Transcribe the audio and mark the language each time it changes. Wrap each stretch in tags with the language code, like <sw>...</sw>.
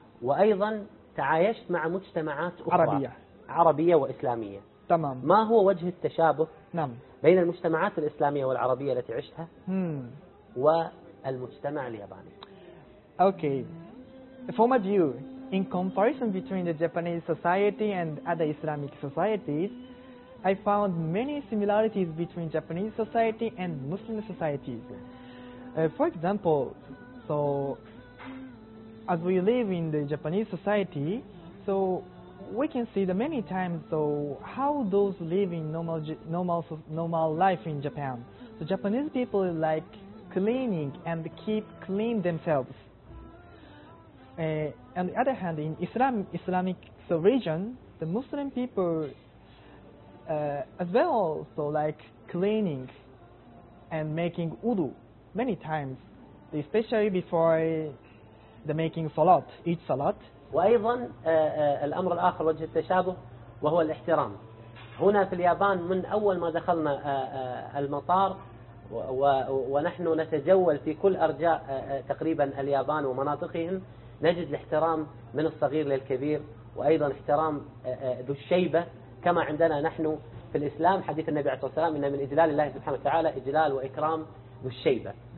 <ar>وأيضا تعايشت مع مجتمعات أخرى عربية وإسلامية. تمام. ما هو وجه التشابه؟ نعم. بين المجتمعات الإسلامية والعربية التي عشتها والمجتمع الياباني.</ar> <en>Okay. From a view, in comparison between the Japanese society and other Islamic societies, I found many similarities between Japanese society and Muslim societies. For example, so as we live in the Japanese society, so we can see the many times, so how those live in normal life in Japan. So Japanese people like cleaning and keep clean themselves. On the other hand, in Islamic region, the Muslim people as well, so like cleaning and making wudu many times, especially before the making salat, each salat.</en> <ar>وأيضا الأمر الآخر وجه التشابه وهو الاحترام. هنا في اليابان من أول ما دخلنا المطار ونحن نتجول في كل أرجاء تقريبا اليابان ومناطقهم نجد الاحترام من الصغير للكبير وأيضا احترام ذو الشيبة كما عندنا نحن في الإسلام حديث النبي عليه الصلاة والسلام إن من إجلال الله سبحانه وتعالى إجلال وإكرام ذو الشيبة.</ar>